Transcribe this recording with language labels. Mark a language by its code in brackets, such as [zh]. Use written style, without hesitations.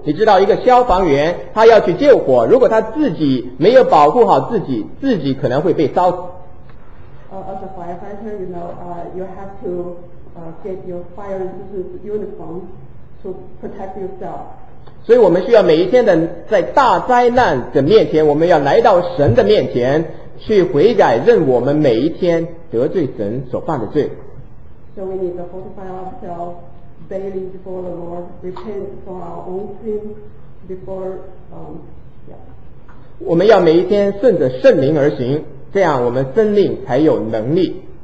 [zh] 你知道一个消防员他要去救火，如果他自己没有保护好自己，自己可能会被烧死。 [en] As a firefighter, you know, you have to get your fire resistance uniform to protect yourself. [zh] 所以我们需要每一天的在大灾难的面前，我们要来到神的面前去悔改，认我们每一天得罪神所犯的罪。 [en] So we need to fortify ourselves daily before the Lord, repent for our own sins before, yeah. [zh] 我们要每一天顺着圣灵而行，这样我们遵命才有能力。